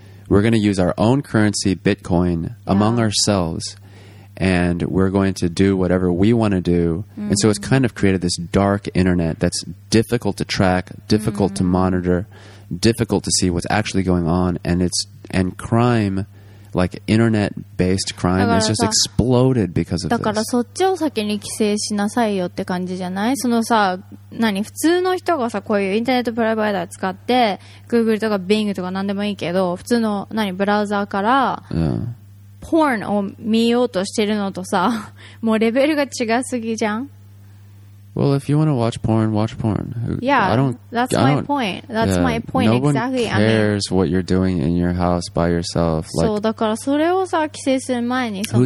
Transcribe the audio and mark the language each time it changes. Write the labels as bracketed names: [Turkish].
[English] We're going to use our own currency, Bitcoin, among ourselves, and we're going to do whatever we want to do. And so it's kind of created this dark internet that's difficult to track, difficult to monitor, difficult to see what's actually going on, and crime, like internet based crime, has just exploded because of [Japanese] this. だからそっちを先に規制しなさいよって感じじゃない？そのさ、何、普通の人がさ、こういうインターネットプロバイダー使って、Google とか Bing とか何でもいいけど、普通の何、ブラウザーから、ポーンを見ようとしてるのとさ、もうレベルが違すぎじゃん？ [English] Well, if you want to watch porn, watch porn. Yeah, That's my point. No one cares what you're doing in your house by yourself. Like, [Japanese] そうだからそれをさ規制する前にその